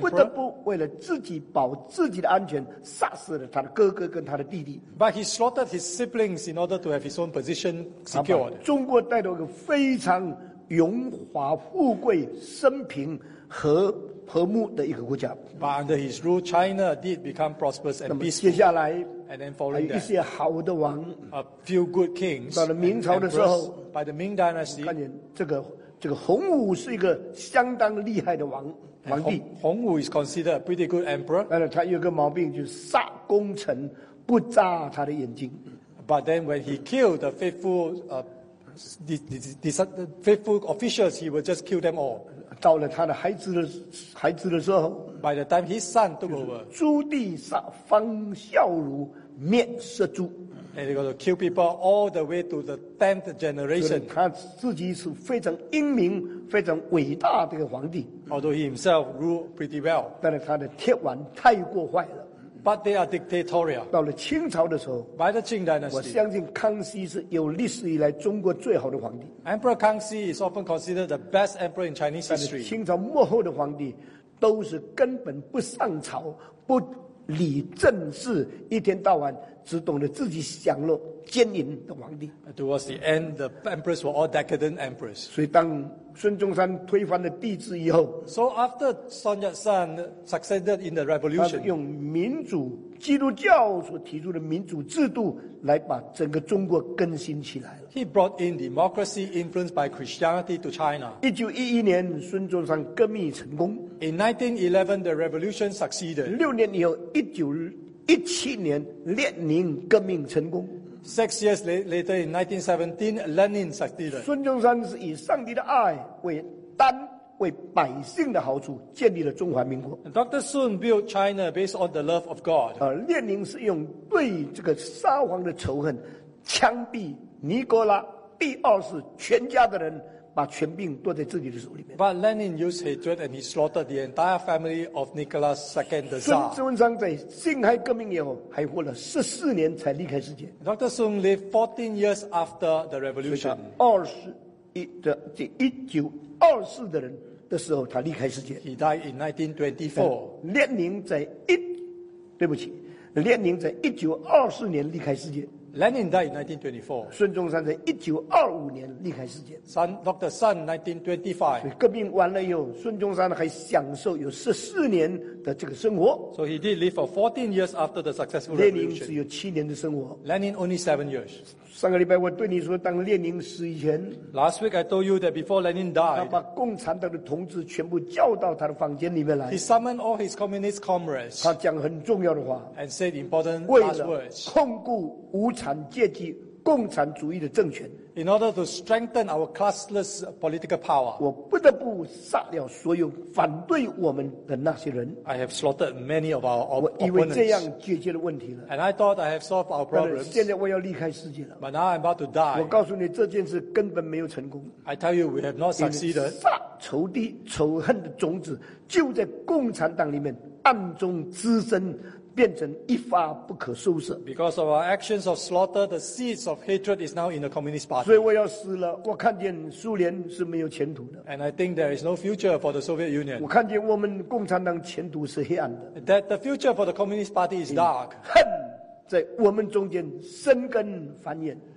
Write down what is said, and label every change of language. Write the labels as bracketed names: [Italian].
[Chinese] 不得不为了自己保自己的安全，杀死了他的哥哥跟他的弟弟。 [English] But he slaughtered his siblings in order to have his own position secured. [Chinese] 中国带到一个非常荣华富贵、生平和和睦的一个国家。 [English] But under his rule, China did become prosperous and peaceful. [Chinese] 接下来 [English] ，and then following that, [Chinese] 还有一些好的王 [English] ，a few good kings. [Chinese] 到了明朝的时候 [English] ，by the Ming Dynasty, [Chinese] 看见这个。这个洪武是一个相当厉害的皇帝。 [English] 洪武 is considered a pretty good emperor. [Chinese] 但是他有个毛病，就是杀功臣不眨他的眼睛。 [English] But then when he killed the faithful officials, he would just kill them all. [Chinese] 到了他的孩子的时候 [English] ，By the time his son took over, [Chinese] 朱棣杀方孝孺，灭十族。 [English] And he got to kill people all the way to the 10th generation. [Chinese] 他自己是非常英明、非常伟大的一个皇帝。 [English] Although he himself ruled pretty well. [Chinese] 但是他的铁腕太过坏了。 [English] But they are dictatorial. [Chinese] 到了清朝的时候 [English] ，By the Qing Dynasty, [Chinese] 我相信康熙是有历史以来中国最好的皇帝。 [English] Emperor Kangxi is often considered the best emperor in Chinese history. [Chinese] 清朝末后的皇帝都是根本不上朝、不理政治，一天到晚只懂得自己享乐奸淫的皇帝。 [English] Towards the end, the emperors were all decadent emperors. [Chinese] 所以当孙中山推翻了帝制以后 [English] ，So after Sun Yat-sen succeeded in the revolution， [Chinese] 他用民主基督教所提出的民主制度来把整个中国更新起来了。 [English] He brought in democracy influenced by Christianity to China. [Chinese] 1911年孙中山革命成功。 [English] In 1911, the revolution succeeded. [Chinese] 六年以后，1917年列宁革命成功。 [English] Six years later, in 1917, Lenin succeeded. [Chinese] 孙中山是以上帝的爱为单为百姓的好处建立了中华民国。 [English] Dr. Sun built China based on the love of God. [Chinese] 列宁是用对这个沙皇的仇恨，枪毙尼古拉第二世全家的人，把权柄夺在自己的手里面。 [English] But Lenin used hatred and he slaughtered the entire family of Nicholas II, the Tsar. [Chinese] 孙中山在辛亥革命以后，还活了14年才离开世界。 [English] Dr. Sun lived 14 years after the revolution. [Chinese] 1924的人的时候，他离开世界。 [English] He died in 1924. [Chinese] 列宁在1924年离开世界。 [English] Lenin died in 1924. [Chinese] 孙中山在1925年离开世界。 [English] Dr. Sun 1925. [Chinese] 所以革命完了以后，孙中山还享受有14年的这个生活。 [English] So he did live for 14 years after the successful revolution. [Chinese] 列宁只有7年的生活。 [English] Lenin only 7 years. [Chinese] 上个礼拜我对你说，当列宁死以前 [English] ，Last week I told you that before Lenin died， [Chinese] 他把共产党的同志全部叫到他的房间里面来。 [English] He summoned all his communist comrades。 [Chinese] 他讲很重要的话 [English] ，and said important last words。 [Chinese] 为了控固无产阶级共产主义的政权 [English] ，in order to strengthen our classless political power， [Chinese] 我不得不杀掉所有反对我们的那些人。 [English] I have slaughtered many of our opponents。 [Chinese] 我以为这样解决了问题了。 [English] And I thought I have solved our problems。 [Chinese] 现在我要离开世界了。 [English] But now I'm about to die。 [Chinese] 我告诉你，这件事根本没有成功。 [English] I tell you, we have not succeeded。 [Chinese] 杀仇敌、仇恨的种子就在共产党里面暗中滋生。变成一发不可收拾。 [English] Because of our actions of slaughter, the seeds of hatred is now in the Communist Party. [Chinese] 所以我要死了，我看见苏联是没有前途的。 [English] And I think there is no future for the Soviet Union. [Chinese] 我看见我们共产党前途是黑暗的。 [English] That the future for the Communist Party is dark. [Chinese] 恨在我们中间生根繁衍。